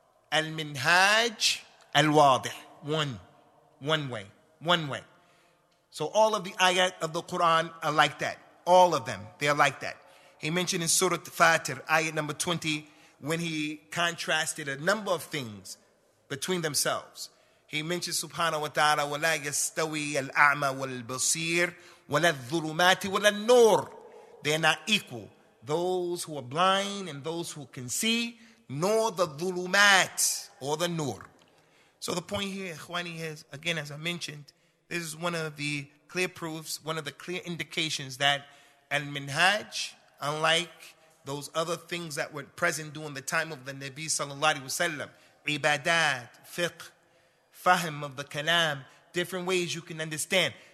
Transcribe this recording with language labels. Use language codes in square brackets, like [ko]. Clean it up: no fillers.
[en] Al-minhaj al-wadih. One way. So all of the ayat of the Quran are like that. All of them, they are like that. He mentioned in Surah Fatir, ayat number 20, when he contrasted a number of things between themselves. He mentioned, [ar] subhanahu wa ta'ala, وَلَا يَسْتَوِي الْأَعْمَى وَالْبَصِيرِ وَلَا الظُّلُمَاتِ وَلَا النُّورِ. [en] They are not equal. Those who are blind and those who can see, nor the dhulumat or the nur. So the point here, ikhwani, is, again, as I mentioned, this is one of the clear proofs, one of the clear indications that al-minhaj, unlike those other things that were present during the time of the Nabi sallallahu alayhi wasallam, ibadat, fiqh, fahim of the kalam, different ways you can understand.